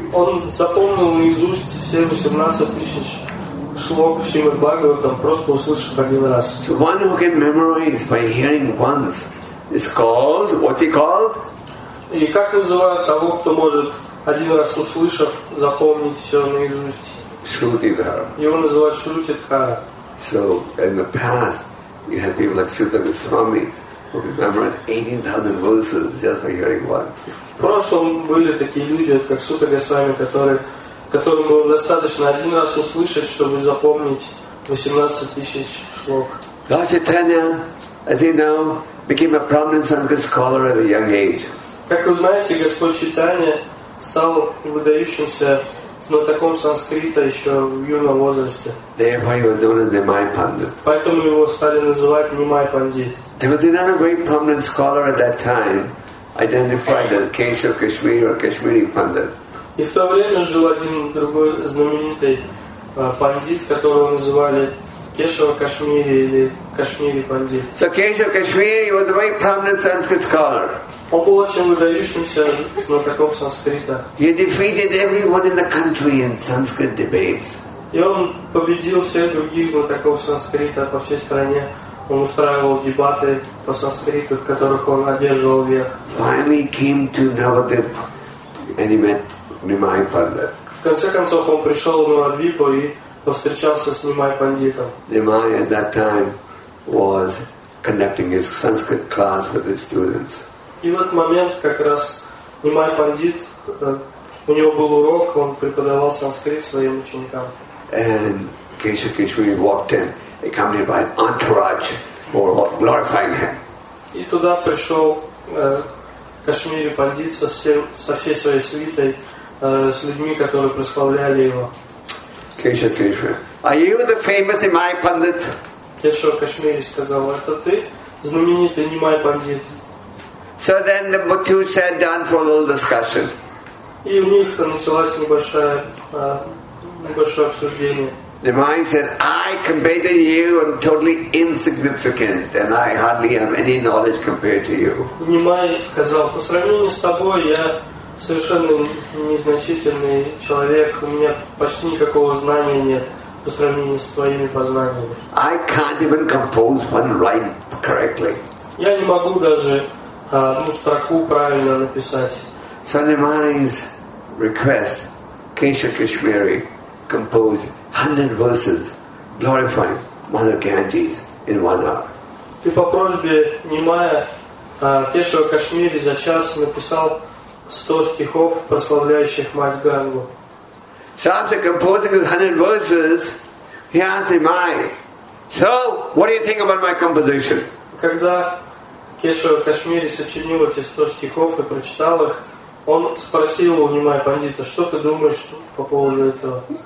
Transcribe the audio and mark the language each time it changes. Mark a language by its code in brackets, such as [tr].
[ru] Он запомнил наизусть все 18,000 слов Шримад Бхагаватам, просто услышав один раз. [en] So one who can memorize by hearing once. It's called. What's he called? [ru] И как называют того, кто может один раз услышав запомнить все наизусть? Шрутидхара. Его называют Шрутидхара. [en] So in the past, you had people like Sutta Goswami who could memorize 18,000 verses just by hearing once. [ru] В прошлом были такие люди, как Сутта Госвами, которым было достаточно один раз услышать, чтобы запомнить 18,000 шлок. [en] Lord Chaitanya, as you know, became a prominent Sanskrit scholar at a young age. [ru] Как вы знаете, Господь Читания стал выдающимся знатоком санскрита еще в юном возрасте. [en] Therefore, he was known as Nimai Pandit. [ru] Поэтому его стали называть Nimai Pandit. [en] There was another great prominent scholar at that time, identified as Keshav Kashmiri or Kashmiri Pandit. [ru] И в то время жил один другой знаменитый пандит, которого называли Keshav Kashmiri или Kashmiri Pandit. [en] So Keshav Kashmiri was a very prominent Sanskrit scholar. [ru] Он был очень выдающимся знатоком санскрита. [en] He defeated everyone in the country in Sanskrit debates. [ru] И он победил всех других знатоков санскрита по всей стране. Он устраивал дебаты по санскриту, в которых он одерживал верх. [en] Finally came to Navadvip and he met Nimai Pandit. [ru] В конце концов он пришел в Навадвипу и повстречался с Nimai Panditом. [en] Nimai at that time was conducting his Sanskrit class with his students. [ru] И в этот момент как раз Nimai Pandit, у него был урок, он преподавал санскрит своим ученикам. [en] And Keshav Kashmiri walked in, accompanied by an entourage who were glorifying him. [ru] И туда пришел Кашмири Пандит со всей своей свитой, с людьми, которые прославляли его. [en] Keshav Kashmiri, are you the famous Nimai Pandit? [ru] Keshav Kashmiri сказал, это ты, знаменитый Nimai Pandit. [en] So then the two sat down for a little discussion. [ru] И у них началось небольшое обсуждение. [en] Nimai said, I compared to you, I'm totally insignificant, and I hardly have any knowledge compared to you. [ru] Nimai сказал, по сравнению с тобой, я совершенно незначительный человек, у меня почти никакого знания нет по сравнению с твоими познаниями. [en] I can't even compose one rhyme correctly. [ru] Я не могу даже одну строку правильно написать. [en] So Nimai's request, Keshav Kashmiri composed 100 verses glorifying Mother Ganges in 1 hour. [ru] И по просьбе Nimai, Кешава Кашмири за час написал 100 стихов, прославляющих мать Гангу. [en] So after composing his 100 verses, he asked Nimai, so what do you think about my composition? [ru] Когда Кешава Кашмири сочинил эти 100 стихов и прочитал их, он спросил у Nimai Pandita, что ты думаешь по поводу этого?